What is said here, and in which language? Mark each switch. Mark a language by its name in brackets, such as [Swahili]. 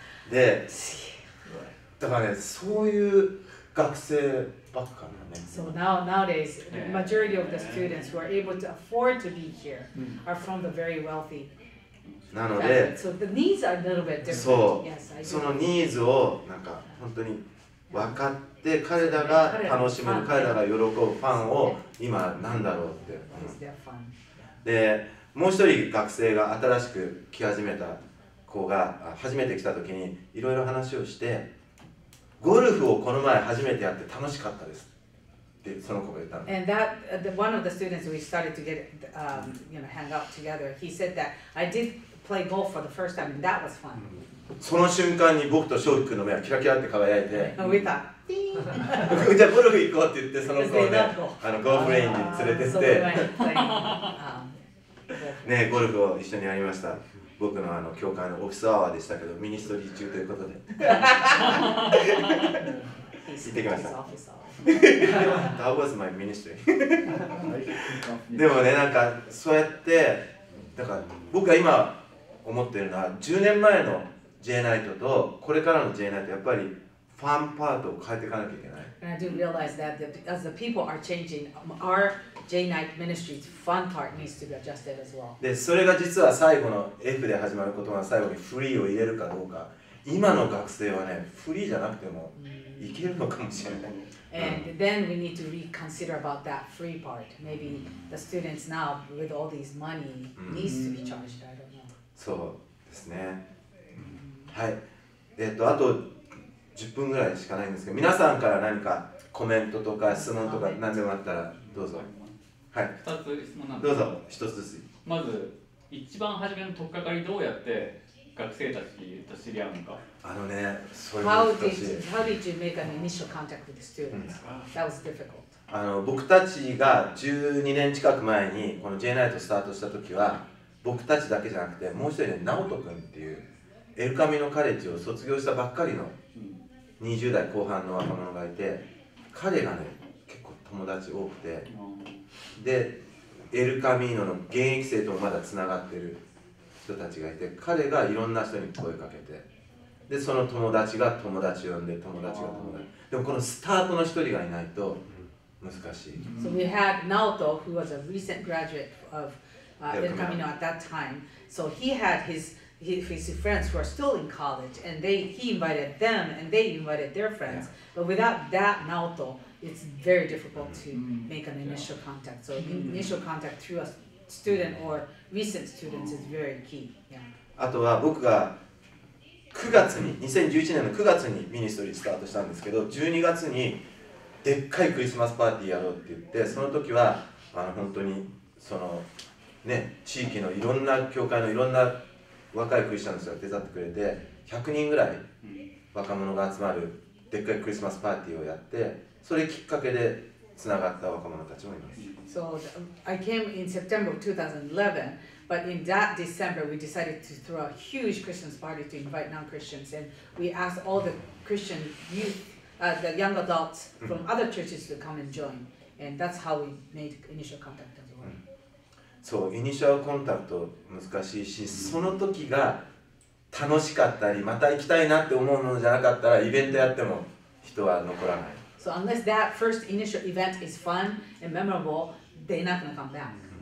[Japanese] で、だからね、そういう学生ばっかな。 [English] So now, nowadays, the majority of the students who are able to afford to be here are from the very wealthy [Japanese] なので、 [English] so the needs are a little bit different. [Japanese] そう、yes, そのニーズをなんか本当に分かって彼らが楽しめる、彼らが喜ぶファンを今なんだろうって。で、もう一人学生が新しく来始めた子が初めて来た時にいろいろ話をして、ゴルフをこの前初めてやって楽しかったですってその子が言ったの。 [English] And that the, one of the students we started to get you know hang out together, he said that I did play golf for the first time and that was fun. [Japanese] その瞬間に僕と翔くんの目はキラキラって輝いて、ウィタ、ティーン、じゃあゴルフ行こうって言ってその子をね、あのゴルフレインに連れてって、ねゴルフを一緒にやりました。僕のあの教会のオフィスアワーでしたけど、ミニストリー中ということで、行ってきました。 [English] That was my ministry. [Japanese] でもねなんかそうやって、だから僕が今思ってるのは10年前の。 J ナイトとこれからの J ナイトやっぱりファンパートを変えていかなきゃいけない。 [English] And I do realize that the, as the people are changing, our J ナイト ministry's fun part needs to be adjusted as well. [Japanese] で、それが実は最後の F で始まることが最後にフリーを入れるかどうか。今の学生はね、フリーじゃなくてもいけるのかもしれない。 [English] And then we need to reconsider about that free part. Maybe the students now with all these money needs to be charged. I don't know. [Japanese] そうですね。はい、あと10分ぐらいしかないんですけど、皆さんから何かコメントとか質問とか何でもあったらどうぞ。はい、 2つ質問なんです。どうぞ、1つずつ。まず一番初めの取っかかり、どうやって学生たちと知り合うのか。あのね、そういう難しい。 [English] How did you make an initial contact with the students? That was difficult. [Japanese] あの僕たちが12年近く前にこの J ナイトスタートした時は僕たちだけじゃなくてもう一人ね、直人君っていうエルカミのカレッジを卒業したばっかりの20代後半の若者がいて、彼がね結構友達多くて、でエルカミーノの現役生ともまだつながってる人たちがいて、彼がいろんな人に声かけて、でその友達が友達呼んで、友達が友達、でもこのスタートの一人がいないと難しい。 [English] So we had Naoto who was a recent graduate of エルカミノ at that time. So he had his friends who are still in college, and he invited them, and they invited their friends. Yeah. But without that Naoto, it's very difficult to make an initial contact. So initial contact through a student or recent students is very key. Yeah. [Japanese] あとは僕が9月に、2011年の9月にミニストリースタートしたんですけど、12月にでっかいクリスマスパーティーやろうって言って、その時はあの本当にそのね、地域のいろんな教会のいろんな若いクリスチャンの人が手伝ってくれて、100人ぐらい若者が集まるでっかいクリスマスパーティーをやって、それきっかけでつながった若者たちもいます。 [English] So I came in September of 2011, but in that December we decided to throw a huge Christmas party to invite non-Christians, and we asked all the Christian youth, the young adults from other churches to come and join, and that's how we made initial contact. [Japanese] そう、イニシャルコンタクト難しいし、その時が楽しかったり、また行きたいなって思うものじゃなかったら、イベントやっても人は残らない。 [English] So unless that first initial event is fun and memorable, they're not gonna come back.